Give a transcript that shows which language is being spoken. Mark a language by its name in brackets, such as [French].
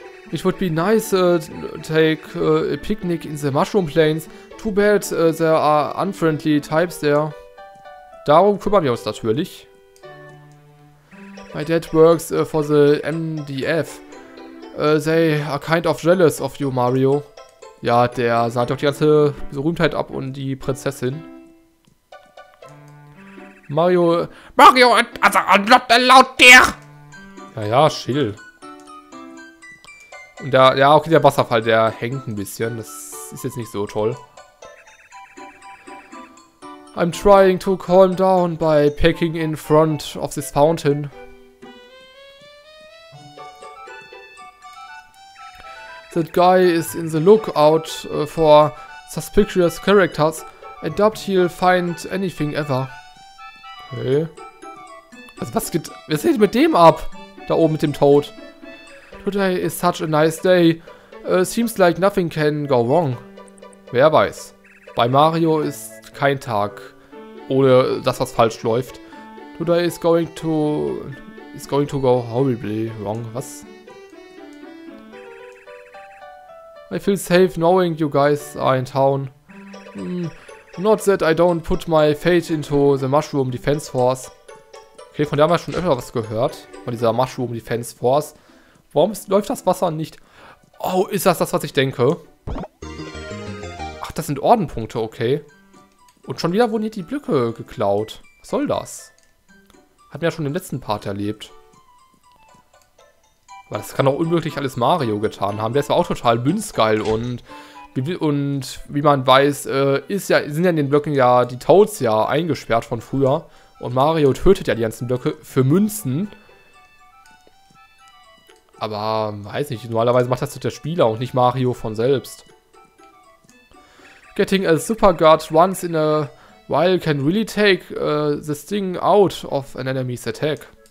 [English] It would be nice to take a picnic in the Mushroom Plains. Too bad there are unfriendly types there. [German] Darum kümmern wir uns natürlich. [English] My dad works for the MDF. They are kind of jealous of you, Mario. [German] Ja, der sah doch die ganze Berühmtheit ab und die Prinzessin. Mario. [English] Mario, also not allowed there! [German] Naja, chill. Und der, ja, okay, der Wasserfall, der hängt ein bisschen. Das ist jetzt nicht so toll. [English] I'm trying to calm down by pecking in front of this fountain. That guy is in the lookout for suspicious characters. I doubt he'll find anything ever. Okay. [German] Also was geht, was geht mit dem ab? Da oben mit dem Toad. [English] Today is such a nice day. Seems like nothing can go wrong. [German] Wer weiß. Bei Mario ist kein Tag ohne dass was falsch läuft. [English] Today is going to... is going to go horribly wrong. [German] Was? [English] I feel safe knowing you guys are in town. Not that I don't put my faith into the Mushroom Defense Force. [German] Okay, von der haben wir schon öfter was gehört. Von dieser Mushroom Defense Force. Warum läuft das Wasser nicht? Oh, ist das das, was ich denke? Ach, das sind Ordenpunkte, okay. Und schon wieder wurden hier die Blöcke geklaut. Was soll das? Hat mir ja schon den letzten Part erlebt. Aber das kann doch unmöglich alles Mario getan haben. Der ist ja auch total münzgeil und wie man weiß, ist ja, sind ja in den Blöcken ja die Toads ja eingesperrt von früher. Und Mario tötet ja die ganzen Blöcke für Münzen. Aber weiß nicht, normalerweise macht das doch der Spieler und nicht Mario von selbst. [English] Getting a Super Guard once in a while can really take the sting out of an enemy's attack.